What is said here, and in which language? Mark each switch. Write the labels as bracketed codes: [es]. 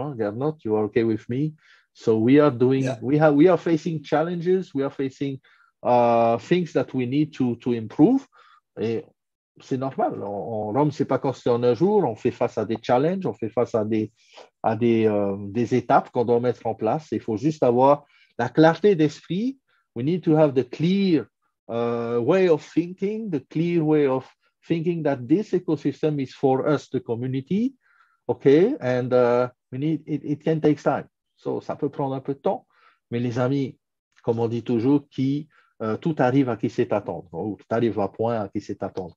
[en] Hein? Gernot, you are okay with me. So we are doing, yeah. we are facing challenges, we are facing things that we need to improve. [fr] Et c'est normal. Rome ne s'est pas construit en un jour. On fait face à des challenges, on fait face à des étapes qu'on doit mettre en place. Il faut juste avoir la clarté d'esprit. [en] We need to have the clear way of thinking, the clear way of thinking that this ecosystem is for us, the community. Okay, and it can take time. [fr] So ça peut prendre un peu de temps. Mais les amis, comme on dit toujours, tout arrive à qui sait attendre. Ou tout arrive à point à qui sait attendre.